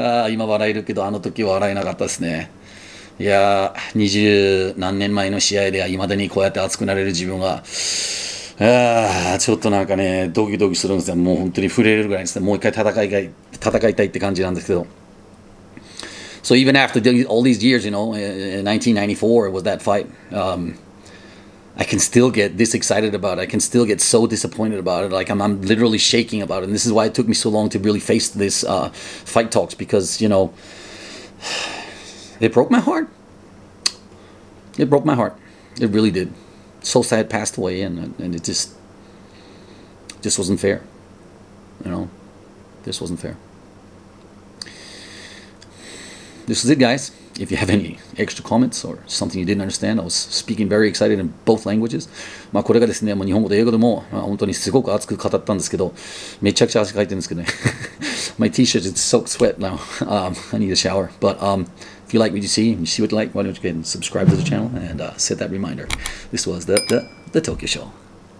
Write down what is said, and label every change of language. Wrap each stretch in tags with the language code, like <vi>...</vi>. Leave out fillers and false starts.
<ja>今笑えるけど、あの時は笑えなかったですね。いやー、二十何年前の試合では未だにこうやって熱くなれる自分は、ちょっとなんかね、ドキドキするんですよ。もう本当に震えるぐらいですね。もう一回戦いたいって感じなんですけど。</ja> <en>So even after all these years, you know, 1994 was that fight. I can still get this excited about it. I can still get so disappointed about it. Like I'm literally shaking about it. And this is why it took me so long to really face this fight talks. Because, you know, it broke my heart. It really did. So sad passed away and it just wasn't fair. You know, this wasn't fair. this is it, guys. If you have any extra comments or something you didn't understand, I was speaking very excited in both languages.</en> <ja>まあこれがですね、もう日本語と英語でも、まあ、本当にすごく熱く語ったんですけど、めちゃくちゃ汗かいてるんですけどね。</ja> <en>My T-shirt is soaked sweat now. I need a shower. But if you like what you see, you see what you like, why don't you go ahead and subscribe to the channel and set that reminder. This was the Tokyo Show.</en>